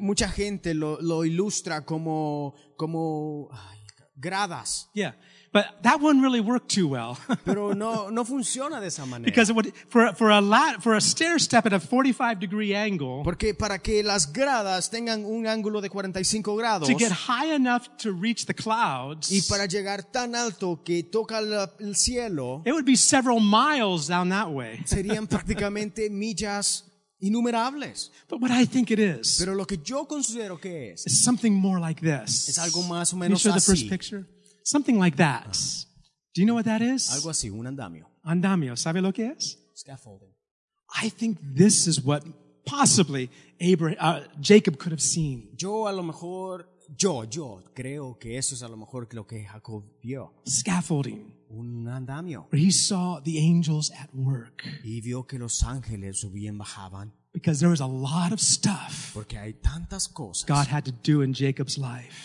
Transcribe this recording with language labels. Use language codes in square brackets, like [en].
[es] Mucha gente lo ilustra como ay, gradas. [en] Yeah. But that wouldn't really work too well. [es] Pero no funciona de esa manera. [en] Because for a stair step at a 45 degree angle. [es] Porque para que las gradas tengan un ángulo de 45 grados. [en] To get high enough to reach the clouds. [es] Y para llegar tan alto que toca el cielo. [en] It would be several miles down that way. [es] Serían prácticamente millas innumerables. [en] But what I think it is. [es] Pero lo que yo considero que es. [en] Is something more like this. [es] Es algo más o menos [en] así. Can you show the first picture? Something like that. Do you know what that is? [es] Algo así, un andamio. Andamio, ¿sabe lo que es? [en] Scaffolding. I think this is what possibly Jacob could have seen. [es] Yo creo que eso es a lo mejor lo que Jacob vio. [en] Scaffolding. [es] Un andamio. [en] Where he saw the angels at work. [es] Y vio que los ángeles subían bajaban. [en] Because there was a lot of stuff [es] hay tantas cosas [en] God had to do in Jacob's life.